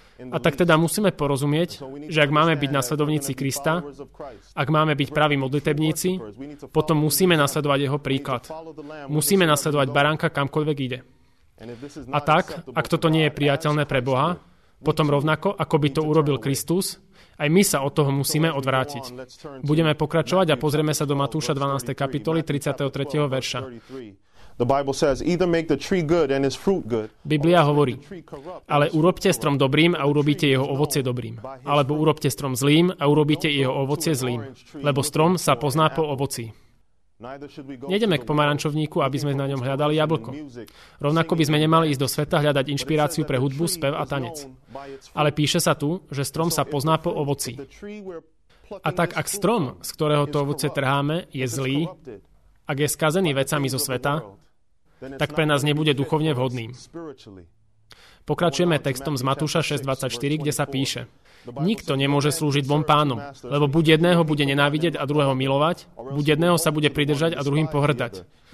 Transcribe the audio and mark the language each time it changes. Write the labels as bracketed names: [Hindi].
[Slovak] A tak teda musíme porozumieť, že ak máme byť nasledovníci Krista, ak máme byť praví modlitebníci, potom musíme nasledovať jeho príklad. Musíme nasledovať baránka, kamkoľvek ide. A tak, ak toto nie je priateľné pre Boha, potom rovnako, ako by to urobil Kristus, aj my sa od toho musíme odvrátiť. Budeme pokračovať a pozrieme sa do Matúša 12. kapitoly 33. verša. [English] The Bible says, either make the tree good and his fruit good. [Slovak] Biblia hovorí, ale urobte strom dobrým a urobíte jeho ovocie dobrým. Alebo urobte strom zlým a urobíte jeho ovocie zlým. Lebo strom sa pozná po ovoci. Nejdeme k pomarančovníku, aby sme na ňom hľadali jablko. Rovnako by sme nemali ísť do sveta hľadať inšpiráciu pre hudbu, spev a tanec. Ale píše sa tu, že strom sa pozná po ovoci. A tak ak strom, z ktorého to ovocie trháme, je zlý, ak je skazený vecami zo sveta, tak pre nás nebude duchovne vhodným. Pokračujeme textom z Matúša 6.24, kde sa píše, nikto nemôže slúžiť dvom pánom, lebo buď jedného bude nenávidieť a druhého milovať, buď jedného sa bude pridržať a druhým pohrdať.